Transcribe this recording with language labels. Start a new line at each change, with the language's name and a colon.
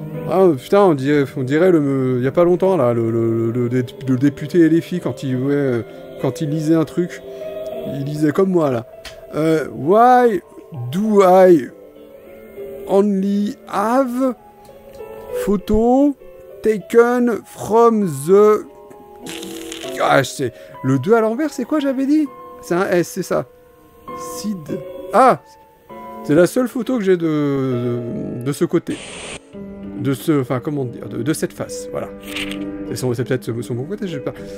French: Ah putain, on dirait il y a pas longtemps là, le député LFI quand il lisait un truc, il lisait comme moi là.
English: Why do I only have photo taken from the...
French: Ah, c'est le 2 à l'envers, c'est quoi j'avais dit? C'est un S, c'est ça. Sid. Ah, c'est la seule photo que j'ai de ce côté. De cette face, voilà. C'est peut-être son bon côté, je sais pas.